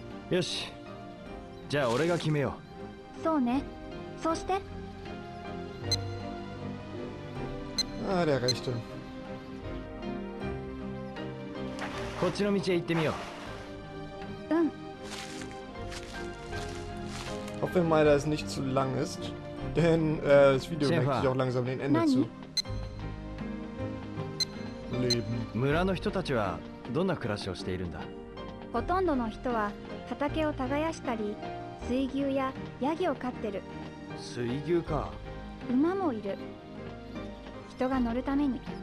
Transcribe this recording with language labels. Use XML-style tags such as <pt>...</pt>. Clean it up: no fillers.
<ja>よし、じゃあ俺が決めよう。そうね、そうして。ありゃがいしとる。こっちの道へ行ってみよう。うん。</ja> <de>Hoffe mal, dass es nicht zu lang ist, denn das Video neigt sich auch langsam dem Ende zu. Leben.</de> <ja>村の人たちはどんな暮らしをしているんだ？ほとんどの人は畑を耕したり、水牛やヤギを飼ってる。水牛か。馬もいる。人が乗るために。</ja>